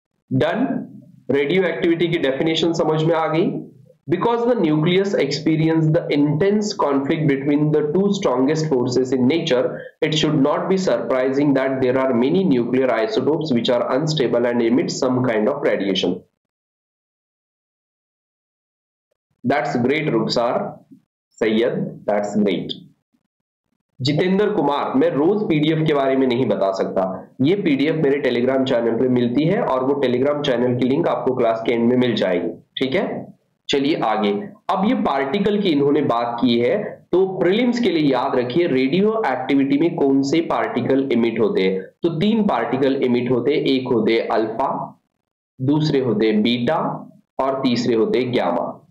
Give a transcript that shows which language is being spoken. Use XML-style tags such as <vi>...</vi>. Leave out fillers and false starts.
<hi>Done, radio activity की definition समझ में आ गई।</hi> <en>Because the nucleus experienced the intense conflict between the two strongest forces in nature, it should not be surprising that there are many nuclear isotopes which are unstable and emit some kind of radiation. That's great, Rukhsar Sayyed. That's great.</en> <hi>Jitendra Kumar, मैं रोज PDF के बारे में नहीं बता सकता, ये PDF मेरे Telegram channel पर मिलती है और वो टेलीग्राम चैनल की लिंक आपको क्लास के एंड में मिल जाएगी, ठीक है। चलिए आगे, अब ये पार्टिकल की इन्होंने बात की है, तो प्रीलिम्स के लिए याद रखिए रेडियो एक्टिविटी में कौन से पार्टिकल इमिट होते हैं, तो तीन पार्टिकल इमिट होते हैं, एक होते अल्फा, दूसरे होते बीटा और तीसरे होते गामा।</hi>